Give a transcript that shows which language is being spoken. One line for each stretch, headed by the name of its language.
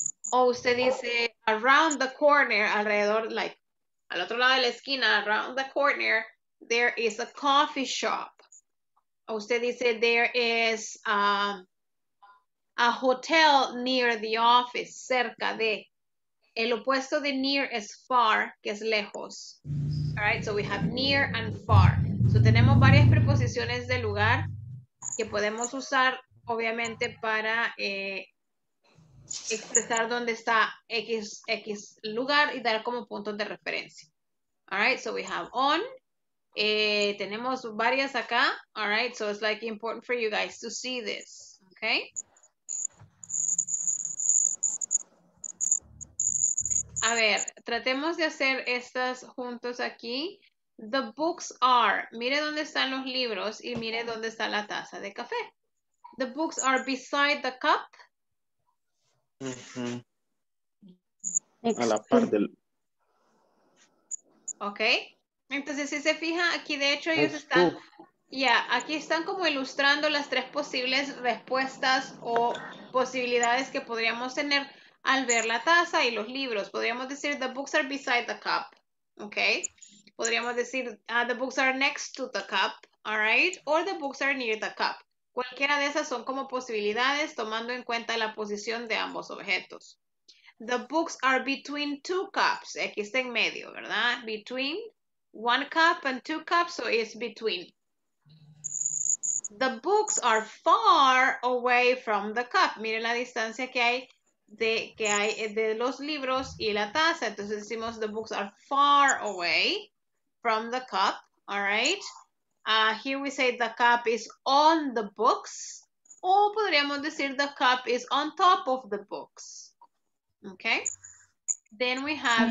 Spanish: O usted dice,
English: around the corner,
Spanish: alrededor,
English: like,
Spanish: al otro lado de la esquina,
English: around the corner, there is a coffee shop.
Spanish: O usted dice,
English: there is a hotel near the office,
Spanish: cerca de. El opuesto de near es far, que es lejos.
English: All right, so we have near and far.
Spanish: So tenemos varias preposiciones de lugar que podemos usar, obviamente, para expresar dónde está X lugar y dar como puntos de referencia.
English: All right, so we have on.
Spanish: Tenemos varias acá.
English: All right, so it's like important for you guys to see this. Okay.
Spanish: A ver, tratemos de hacer estas juntos aquí.
English: The books are,
Spanish: mire dónde están los libros y mire dónde está la taza de café.
English: The books are beside the cup.
Spanish: Mm-hmm. A la par del...
English: Okay.
Spanish: Entonces, si se fija, aquí de hecho ellos están, aquí están como ilustrando las tres posibles respuestas o posibilidades que podríamos tener al ver la taza y los libros. Podríamos decir,
English: the books are beside the cup, ¿ok?
Spanish: Podríamos decir,
English: the books are next to the cup, all right? Or the books are near the cup.
Spanish: Cualquiera de esas son como posibilidades tomando en cuenta la posición de ambos objetos.
English: The books are between two cups.
Spanish: Aquí está en medio, ¿verdad?
English: Between one cup and two cups, so it's between. The books are far away from the cup.
Spanish: Miren la distancia que hay de los libros y la taza. Entonces decimos
English: the books are far away from the cup, all right? Here we say the cup is on the books,
Spanish: o podríamos decir
English: the cup is on top of the books. Okay, then we have,